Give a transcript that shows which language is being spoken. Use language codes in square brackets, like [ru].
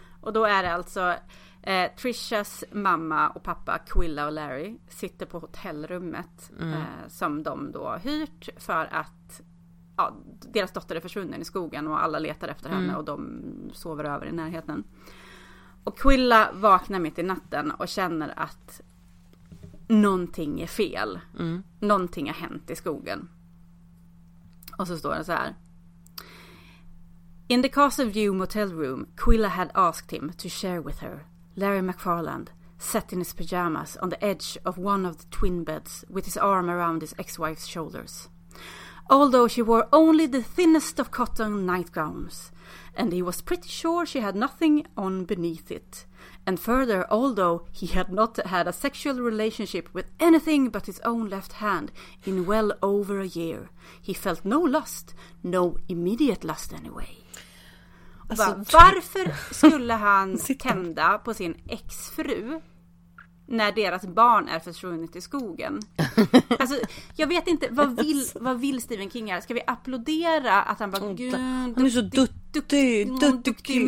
[sv] Och då är det alltså Trishas mamma och pappa, Quilla och Larry, sitter på hotellrummet som de då hyrt för att deras dotter är försvunnen i skogen och alla letar efter henne och de sover över i närheten. Och Quilla vaknar mitt i natten och känner att någonting är fel. Mm. Någonting har hänt i skogen. Och så står det så här. [en] In the Castle View motel room, Quilla had asked him to share with her Larry McFarland, sat in his pajamas on the edge of one of the twin beds with his arm around his ex-wife's shoulders. Although she wore only the thinnest of cotton nightgowns, and he was pretty sure she had nothing on beneath it. And further, although he had not had a sexual relationship with anything but his own left hand in well over a year, he felt no lust, no immediate lust anyway. [sv] Alltså, varför skulle han tända på sin exfru när deras barn är försvunnit i skogen? Alltså, jag vet inte, vad vill Stephen King här? Ska vi applådera att han bara, gud, han är så duktig